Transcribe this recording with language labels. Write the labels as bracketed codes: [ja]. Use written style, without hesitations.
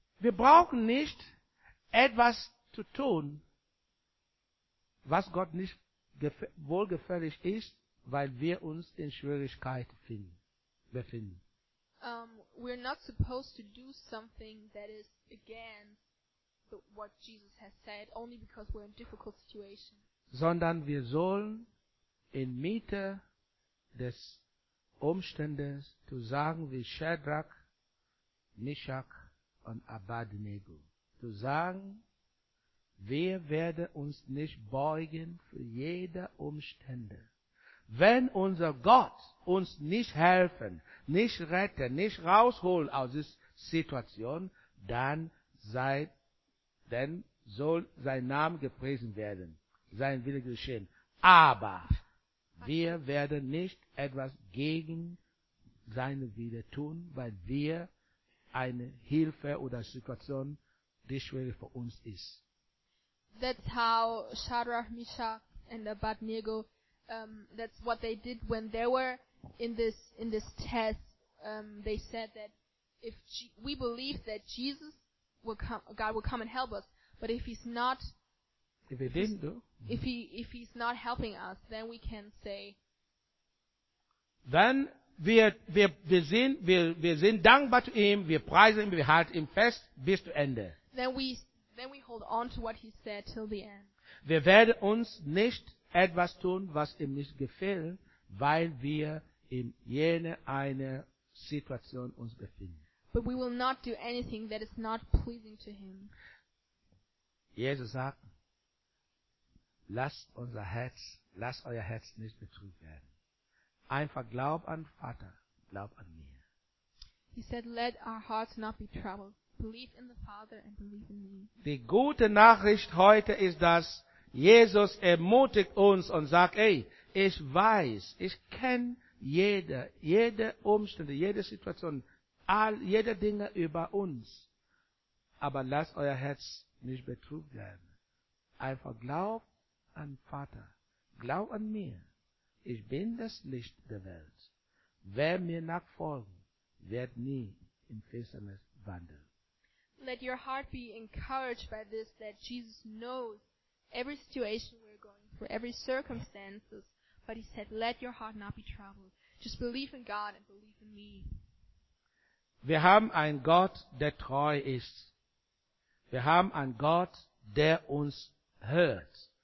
[de] Wir brauchen nicht etwas zu tun, was Gott nicht wohlgefällig ist, weil wir uns in Schwierigkeiten befinden. [en] We're not supposed to do something that is against what Jesus has said only because we're in difficult situations. [de] Sondern wir sollen inmitten des Umständes zu sagen wie Shadrach, Meshach und Abednego. Zu sagen, wir werden uns nicht beugen für jede Umstände. Wenn unser Gott uns nicht helfen, nicht retten, nicht rausholen aus dieser Situation, dann soll sein Name gepriesen werden, sein Wille geschehen. Aber wir werden nicht etwas gegen seine Wille tun, weil wir eine Hilfe oder Situation, die schwierig für uns ist. [en] That's how Shadrach, Meshach and Abednego, that's what they did when they were in this test. They said that if we believe that Jesus will come, God will come and help us, but if he's not, if he didn't do, if he's not helping us, then we can say, [de] then wir sind dankbar zu ihm, wir preisen ihn, wir halten ihn fest bis zum Ende. [en] Then we hold on to what he said till the end. [de] Wir werden uns nicht etwas tun, was ihm nicht gefällt, weil wir in jener eine Situation uns befinden. [en] But we will not do anything that is not pleasing to him. [de] Jesus sagt, lasst euer Herz nicht betrübt werden. Einfach glaub an Vater, glaub an mir. [en] He said, let our hearts not be troubled. Believe in the Father and believe in me. [de] Die gute Nachricht heute ist, dass Jesus ermutigt uns und sagt, ey, ich weiß, ich kenne jede Umstände, jede Situation, jede Dinge über uns. Aber lasst euer Herz nicht betrübt werden. Einfach glaub an Vater. Glaub an mir. Ich bin das Licht der Welt. Wer mir nachfolgt, wird nie in Finsternis wandeln. [en] Let your heart be encouraged by this, that Jesus knows every situation we're going through, every circumstances, but he said, let your heart not be troubled. Just believe in God and believe in me. [de] Wir haben einen Gott, der treu ist. Wir haben einen Gott, der uns hört.